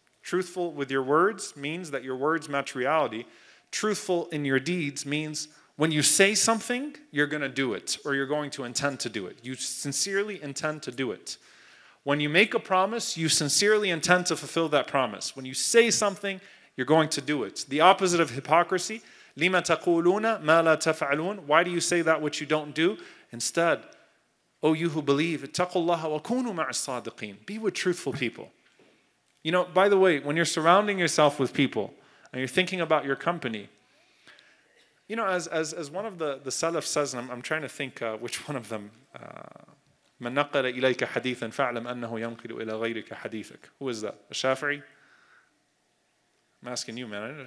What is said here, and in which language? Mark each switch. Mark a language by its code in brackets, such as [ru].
[en] Truthful with your words means that your words match reality. Truthful in your deeds means when you say something, you're going to do it, or you're going to intend to do it. You sincerely intend to do it. When you make a promise, you sincerely intend to fulfill that promise. When you say something, you're going to do it. The opposite of hypocrisy, [ar] لِمَ تَقُولُونَ مَا لَا تَفْعَلُونَ. [en] Why do you say that which you don't do? Instead, O you who believe, [ar] اتَّقُوا اللَّهَ وَكُونُوا مَعَ الصَّادِقِينَ. [en] Be with truthful people. You know, by the way, when you're surrounding yourself with people, and you're thinking about your company, you know, as one of the Salaf says, and I'm trying to think which one of them, [ar] مَنْ نَقَلَ إِلَيْكَ حَدِيثًا فَعْلَمْ أَنَّهُ يَنْقِلُ إِلَى غَيْرِكَ حَدِيثَكَ. [en] Who is that? A Shafi'i? I'm asking you, man.